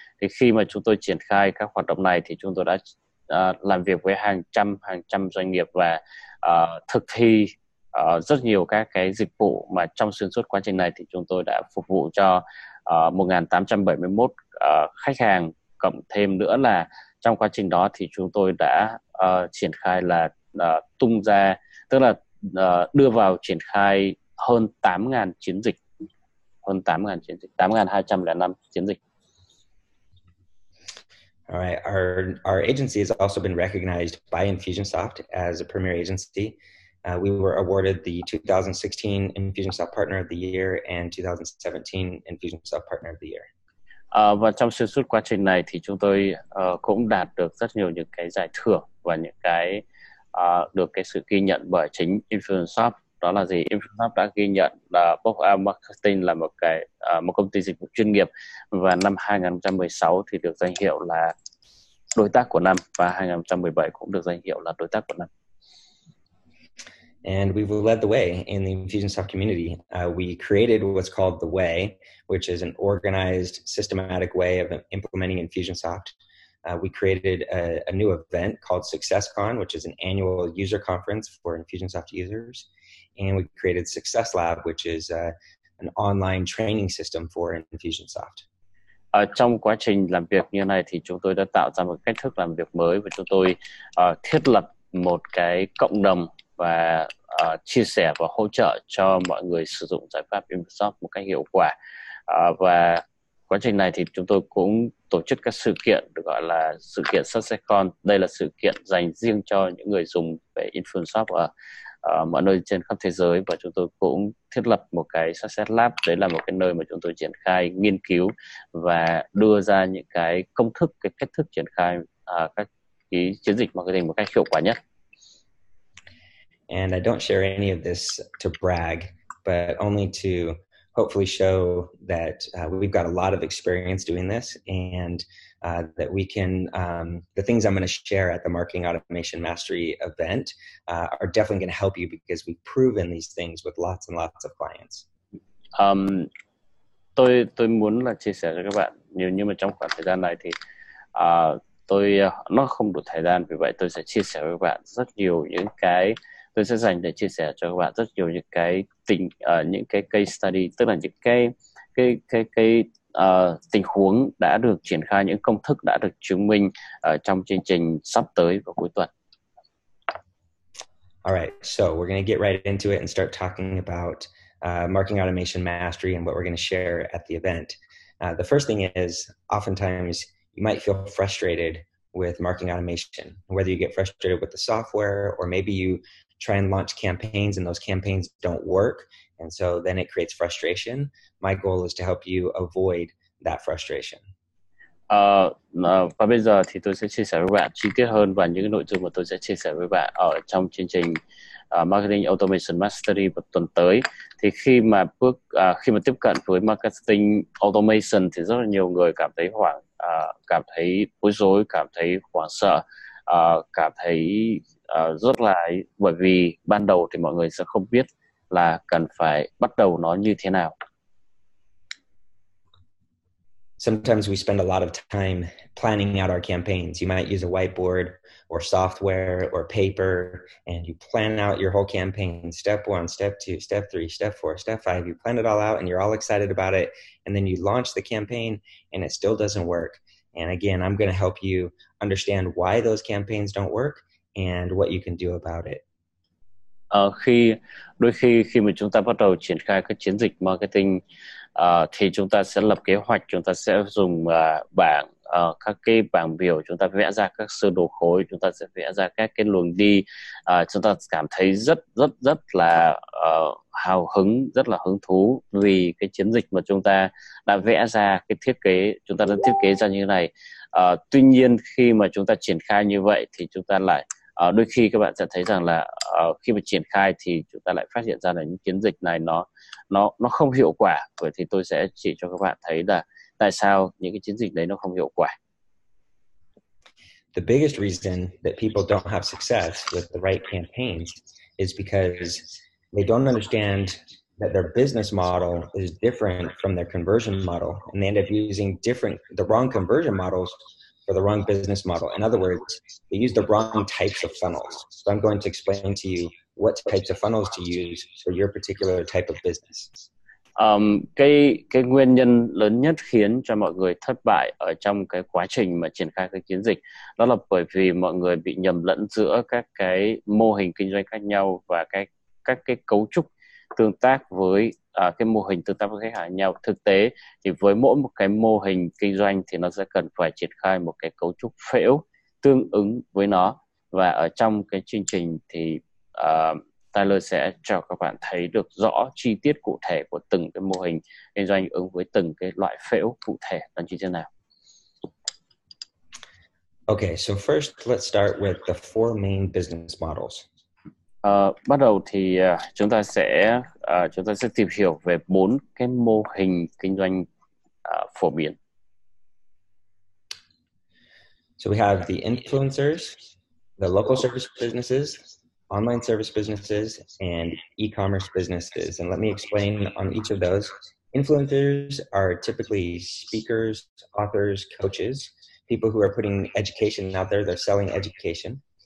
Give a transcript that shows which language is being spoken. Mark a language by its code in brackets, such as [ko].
[vi] Thì khi mà chúng tôi triển khai các hoạt động này, thì chúng tôi đã làm việc với hàng trăm doanh nghiệp và thực thi rất nhiều các cái dịch vụ mà trong xuyên suốt quá trình này thì chúng tôi đã phục vụ cho 1.871 khách hàng cộng thêm nữa là trong quá trình đó thì chúng tôi đã triển khai là tung ra tức là đưa vào triển khai hơn 8.000 chiến dịch 8.205 chiến dịch. [en] All right, our agency has also been recognized by Infusionsoft as a premier agency. We were awarded the 2016 Infusionsoft Partner of the Year and 2017 Infusionsoft Partner of the Year. [vi] Và trong xuyên suốt quá trình này thì chúng tôi cũng đạt được rất nhiều những cái giải thưởng và những cái được cái sự ghi nhận bởi chính Infusionsoft. Đó là gì? Infusionsoft đã ghi nhận là Box Out Marketing là một cái một công ty dịch vụ chuyên nghiệp và năm 2016 thì được danh hiệu là đối tác của năm và 2017 cũng được danh hiệu là đối tác của năm. [en] And we've led the way in the Infusionsoft community. We created what's called the Way, which is an organized, systematic way of implementing Infusionsoft. We created a new event called SuccessCon, which is an annual user conference for Infusionsoft users. And we created Success Lab, which is an online training system for Infusionsoft. [vi] Trong quá trình làm việc như này thì chúng tôi đã tạo ra một cách thức làm việc mới và chúng tôi thiết lập một cái cộng đồng và chia sẻ và hỗ trợ cho mọi người sử dụng giải pháp Microsoft một cách hiệu quả. Và quá trình này thì chúng tôi cũng tổ chức các sự kiện được gọi là sự kiện SuccessCon. Đây là sự kiện dành riêng cho những người dùng về Infosoft ở mọi nơi trên khắp thế giới, và chúng tôi cũng thiết lập một cái Success Lab. Đấy là một cái nơi mà chúng tôi triển khai nghiên cứu và đưa ra những cái công thức, cái cách thức triển khai các cái chiến dịch marketing một cách hiệu quả nhất. [en] And I don't share any of this to brag, but only to hopefully show that we've got a lot of experience doing this, and that we can, the things I'm going to share at the Marketing Automation Mastery event are definitely going to help you, because we've proven these things with lots and lots of clients. [vi] Tôi muốn là chia sẻ cho các bạn, nhưng mà trong khoảng thời gian này thì tôi nó không đủ thời gian, vì vậy tôi sẽ chia sẻ với các bạn rất nhiều những cái tôi sẽ dành để chia sẻ cho các bạn rất nhiều những cái tình những cái case study, tức là những cái tình huống đã được triển khai, những công thức đã được chứng minh trong chương trình sắp tới vào cuối tuần. [en] All right, so we're going to get right into it and start talking about Marketing Automation Mastery and what we're going to share at the event. The first thing is, oftentimes you might feel frustrated with marketing automation, whether you get frustrated with the software, or maybe you try and launch campaigns and those campaigns don't work, and so then it creates frustration. My goal is to help you avoid that frustration. [vi] Và bây giờ thì tôi sẽ chia sẻ với bạn chi tiết hơn và những nội dung mà tôi sẽ chia sẻ với bạn ở trong chương trình Marketing Automation Mastery vào tuần tới. Thì khi mà tiếp cận với marketing automation thì rất là nhiều người cảm thấy hoảng, cảm thấy bối rối, cảm thấy hoảng sợ, cảm thấy rất là, bởi vì ban đầu thì mọi người sẽ không biết là cần phải bắt đầu nó như thế nào. [en] Sometimes we spend a lot of time planning out our campaigns. You might use a whiteboard or software or paper, and you plan out your whole campaign, step one, step two, step three, step four, step five. You plan it all out and you're all excited about it, and then you launch the campaign and it still doesn't work. And again, I'm going to help you understand why those campaigns don't work and what you can do about it. [vi] Khi mà chúng ta bắt đầu triển khai các chiến dịch marketing, thì chúng ta sẽ lập kế hoạch, chúng ta sẽ dùng bảng, các cái bảng biểu, chúng ta vẽ ra các sơ đồ khối, chúng ta sẽ vẽ ra các cái luồng đi. Chúng ta cảm thấy rất rất rất là hào hứng, rất là hứng thú vì cái chiến dịch mà chúng ta đã vẽ ra, cái thiết kế chúng ta đã thiết kế ra như thế này. Tuy nhiên khi mà chúng ta triển khai như vậy thì chúng ta lại đôi khi các bạn sẽ thấy rằng là khi mà triển khai thì chúng ta lại phát hiện ra là những chiến dịch này nó không hiệu quả. Vậy thì tôi sẽ chỉ cho các bạn thấy là tại sao những cái chiến dịch đấy nó không hiệu quả. [en] The biggest reason that people don't have success with the right campaigns is because they don't understand that their business model is different from their conversion model, and they end up using the wrong conversion models for the wrong business model. In other words, they use the wrong types of funnels. So I'm going to explain to you what types of funnels to use for your particular type of business. [vi] Cái nguyên nhân lớn nhất khiến cho mọi người thất bại ở trong cái quá trình mà triển khai các chiến dịch đó là bởi vì mọi người bị nhầm lẫn giữa các cái mô hình kinh doanh khác nhau và các cái cấu trúc tương tác với cái mô hình tương tác với khách hàng nhau. Thực tế thì với mỗi một cái mô hình kinh doanh thì nó sẽ cần phải triển khai một cái cấu trúc phễu tương ứng với nó, và ở trong cái chương trình thì Tyler sẽ cho các bạn thấy được rõ chi tiết cụ thể của từng cái mô hình kinh doanh ứng với từng cái loại phễu cụ thể là như thế nào. [en] Okay, so first let's start with the four main business models. [vi] Bắt đầu thì chúng ta sẽ tìm hiểu về bốn cái mô hình kinh doanh phổ biến. [en] So we have the influencers, the local service businesses, online service businesses, and e-commerce businesses. And let me explain on each of those. Influencers are typically speakers, authors, coaches, people who are putting education out there, they're selling education.